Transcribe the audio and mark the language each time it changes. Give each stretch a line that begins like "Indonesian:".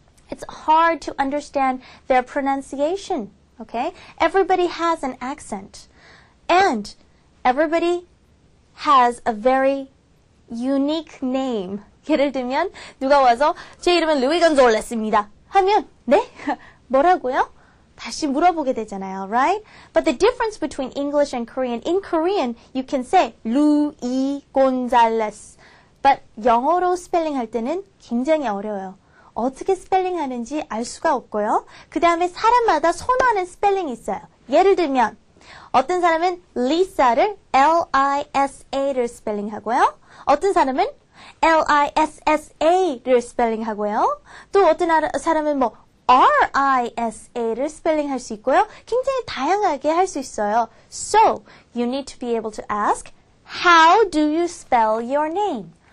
English: It's hard to understand their pronunciation, okay? Everybody has an accent. And everybody has a very unique name.
Korean: 예를 들면 누가 와서 제 이름은 루이 건솔레스입니다 하면 네? 뭐라고요? 다시 물어보게 되잖아요,
English: right? But the difference between English and Korean, in Korean, you can say 루이 곤잘레스. But
Korean: 영어로 스펠링 할 때는 굉장히 어려워요. 어떻게 스펠링 하는지 알 수가 없고요. 그 다음에 사람마다 선호하는 스펠링이 있어요. 예를 들면 어떤 사람은 리사를 L-I-S-A를 스펠링 하고요. 어떤 사람은 L-I-S-S-A를 스펠링 하고요. 또 어떤 사람은 뭐 R-I-S-A를 스펠링 할 수 있고요. 굉장히 다양하게 할 수 있어요.
English: So, you need to be able to ask, how do you spell your name?